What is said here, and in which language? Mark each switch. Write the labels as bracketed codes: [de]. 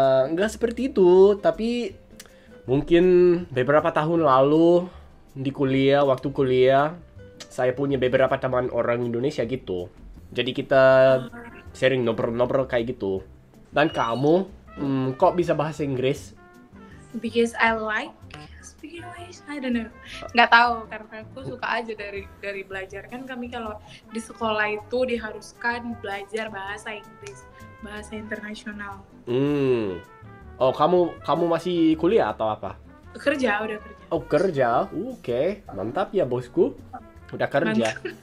[id] Enggak seperti itu, tapi mungkin beberapa tahun lalu di kuliah, waktu kuliah. Saya punya beberapa teman orang Indonesia gitu. Jadi kita sering nobrol-nobrol kayak gitu. Dan kamu, kok bisa bahasa Inggris? [en] Because I like speaking English, I don't know. [id] Nggak tahu, karena aku suka aja dari belajar. Kan kami kalau di sekolah itu diharuskan belajar bahasa Inggris. Bahasa internasional. Oh, kamu masih kuliah atau apa? Kerja, udah kerja. Oh, kerja? Okay. Mantap ya, bosku. Udah kerja.